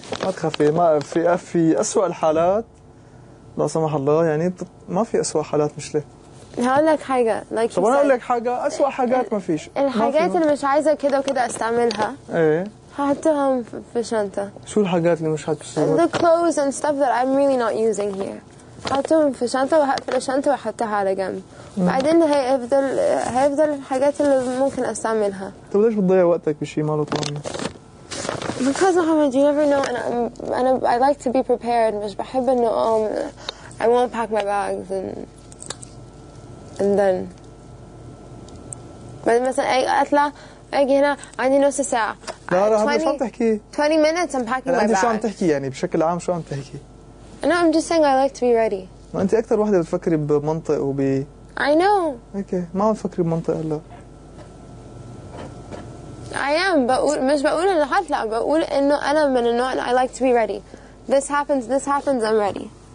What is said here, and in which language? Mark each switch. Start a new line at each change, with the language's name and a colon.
Arabic: ما تخافي، ما في في أسوأ الحالات لا سمح الله، يعني ما في أسوأ حالات. مش ليه هقول لك حاجة like طب أنا أقول لك حاجة، أسوأ حاجات ما فيش. الحاجات اللي مش عايزة كده وكده أستعملها إيه هحطهم في شنطة. شو الحاجات اللي مش هتستعملها؟
English: The clothes and stuff that I'm really not using here.
Arabic: هحطهم في شنطة وهقفل الشنطة وأحطها على جنب. بعدين هيفضل الحاجات اللي ممكن أستعملها. طب ليش بتضيع وقتك بشيء ما له طعمة؟
English: Because Muhammad, you never know, and I like to be prepared.
Arabic: مش بحب إنه
English: I won't pack my bags and then.
Arabic: بعد مثلاً أطلع أجي هنا عندي نص ساعة. لا راح شو عم تحكي؟
English: 20 minutes I'm packing my bags.
Arabic: أنت شو عم تحكي يعني بشكل عام شو عم تحكي؟
English: No, I'm just saying I like to be ready.
Arabic: ما أنت أكثر واحدة بتفكري بمنطق وب.
English: I know.
Arabic: Okay, ما عم تفكري بمنطق هلا.
English: I am.
Arabic: بقول مش بقول إنه هطلع، بقول إنه أنا من النوع
English: I like to be ready. This happens I'm ready.